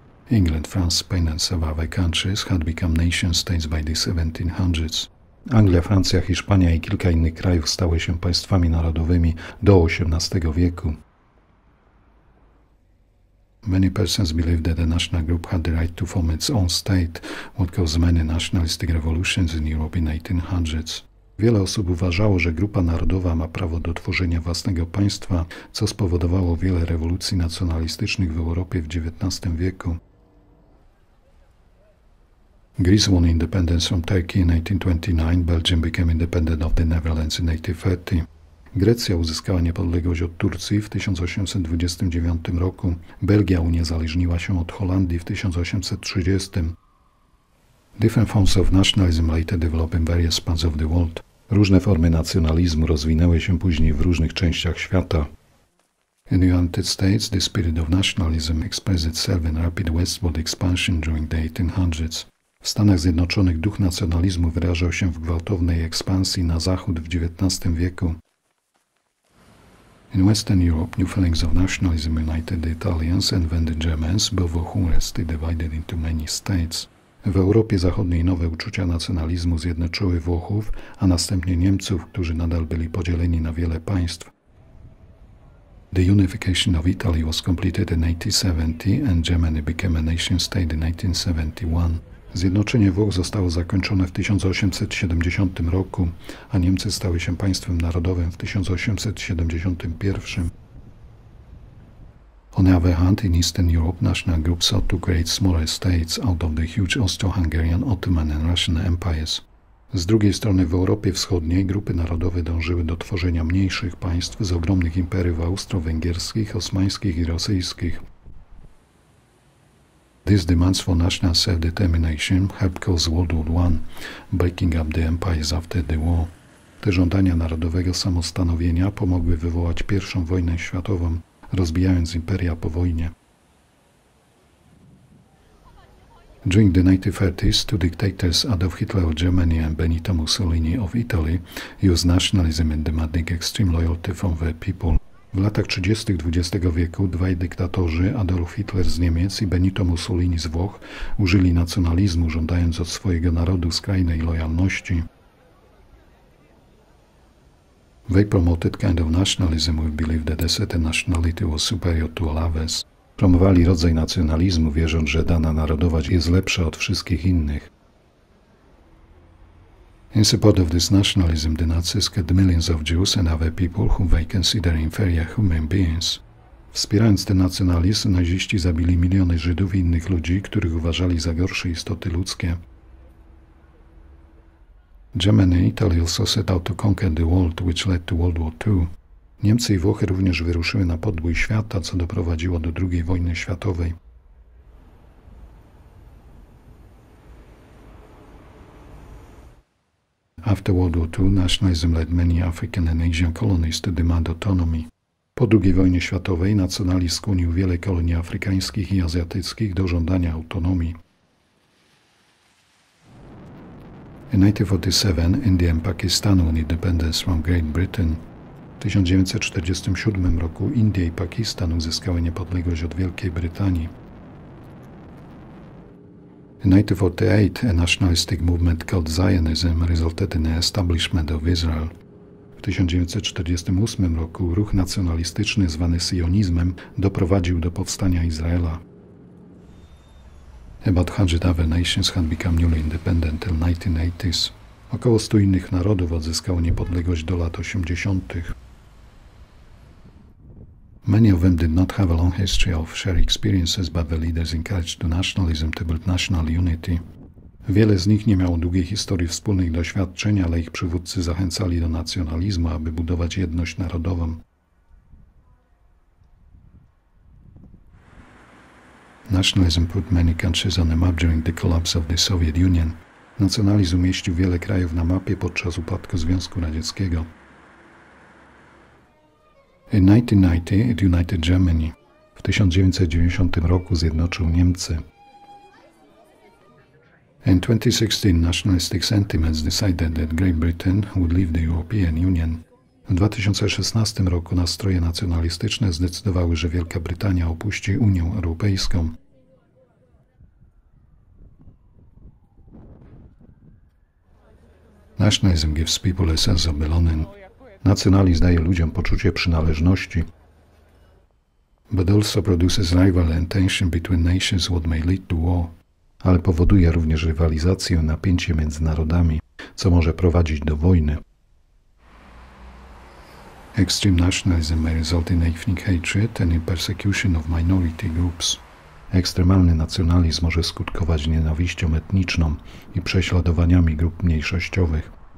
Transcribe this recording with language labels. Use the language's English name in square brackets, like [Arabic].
[English] England, France, Spain and several other countries had become nation states by the 1700s. [Polish] Anglia, Francja, Hiszpania i kilka innych krajów stały się państwami narodowymi do XVIII wieku. [English] Many persons believed that a national group had the right to form its own state, what caused many nationalistic revolutions in Europe in the 1800s. [Polish] Wiele osób uważało, że grupa narodowa ma prawo do tworzenia własnego państwa, co spowodowało wiele rewolucji nacjonalistycznych w Europie w XIX wieku. [English] Greece won independence from Turkey in 1829, Belgium became independent of the Netherlands in 1830. [Polish] Grecja uzyskała niepodległość od Turcji w 1829 roku. Belgia uniezależniła się od Holandii w 1830. [English] Different forms of nationalism later developed in various parts of the world. [Polish] Różne formy nacjonalizmu rozwinęły się później w różnych częściach świata. [English] In the United States, the spirit of nationalism expressed itself in rapid westward expansion during the 1800s. [Polish] W Stanach Zjednoczonych duch nacjonalizmu wyrażał się w gwałtownej ekspansji na zachód w XIX wieku. [English] In Western Europe, new feelings of nationalism united the Italians and then the Germans, both of whom were still divided into many states. [Polish] W Europie Zachodniej nowe uczucia nacjonalizmu zjednoczyły Włochów, a następnie Niemców, którzy nadal byli podzieleni na wiele państw. [English] The unification of Italy was completed in 1870 and Germany became a nation state in 1871. [Polish] Zjednoczenie Włoch zostało zakończone w 1870 roku, a Niemcy stały się państwem narodowym w 1871. [English] On the other hand, in Eastern Europe, national groups sought to create smaller states out of the huge Austro-Hungarian, Ottoman and Russian empires. [Polish] Z drugiej strony w Europie Wschodniej grupy narodowe dążyły do tworzenia mniejszych państw z ogromnych imperiów austro-węgierskich, osmańskich i rosyjskich. [English] These demands for national self-determination helped cause World War I, breaking up the empires after the war. [Polish] Te żądania narodowego samostanowienia pomogły wywołać pierwszą wojnę światową, rozbijając imperia po wojnie. [English] During the 1930s, two dictators, Adolf Hitler of Germany and Benito Mussolini of Italy, used nationalism and demanding extreme loyalty from their people. [Polish] W latach 30. XX wieku dwaj dyktatorzy, Adolf Hitler z Niemiec i Benito Mussolini z Włoch, użyli nacjonalizmu, żądając od swojego narodu skrajnej lojalności. [English] They promoted kind of nationalism with belief that a certain nationality was superior to all others. [Polish] Promowali rodzaj nacjonalizmu, wierząc, że dana narodowość jest lepsza od wszystkich innych. [English] In support of this nationalism, the Nazis killed millions of Jews and other people whom they consider inferior human beings. [Polish] Wspierając ten nacjonalizm, naziści zabili miliony Żydów i innych ludzi, których uważali za gorsze istoty ludzkie. [English] Germany and Italy also set out to conquer the world, which led to World War II. [Polish] Niemcy i Włochy również wyruszyły na podbój świata, co doprowadziło do II wojny światowej. [English] After World War II, nationalism led many African and Asian colonies to demand autonomy. [Polish] Po II wojnie światowej nacjonalizm skłonił wiele kolonii afrykańskich i azjatyckich do żądania autonomii. [English] In 1947, India and Pakistan won independence from Great Britain. [Polish] W 1947 roku Indie i Pakistan uzyskały niepodległość od Wielkiej Brytanii. [English] In 1948, a nationalistic movement called Zionism resulted in the establishment of Israel. [Polish] W 1948 roku ruch nacjonalistyczny zwany sionizmem doprowadził do powstania Izraela. [English] About 100 other nations had become newly independent till 1980s. [Polish] Około 100 innych narodów odzyskało niepodległość do lat 80. [English] Many of them did not have a long history of shared experiences, but the leaders encouraged to nationalism to build national unity. [Polish] Wiele z nich nie miało długiej historii wspólnych doświadczeń, ale ich przywódcy zachęcali do nacjonalizmu, aby budować jedność narodową. [English] Nationalism put many countries on the map during the collapse of the Soviet Union. [Polish] Nacjonalizm umieścił wiele krajów na mapie podczas upadku Związku Radzieckiego. [English] In 1990 it united Germany. [Polish] W 1990 roku zjednoczył Niemcy. [English] In 2016 nationalistic sentiments decided that Great Britain would leave the European Union. [Polish] W 2016 roku nastroje nacjonalistyczne zdecydowały, że Wielka Brytania opuści Unię Europejską. [English] Nationalism gives people a sense of belonging. [Polish] Nacjonalizm daje ludziom poczucie przynależności. [English] But also produces rivalry and tension between nations, what may lead to war. [Polish] Ale powoduje również rywalizację, napięcie między narodami, co może prowadzić do wojny. [English] Extreme nationalism may result in ethnic hatred and in persecution of minority groups. [Polish] Ekstremalny nacjonalizm może skutkować nienawiścią etniczną i prześladowaniami grup mniejszościowych.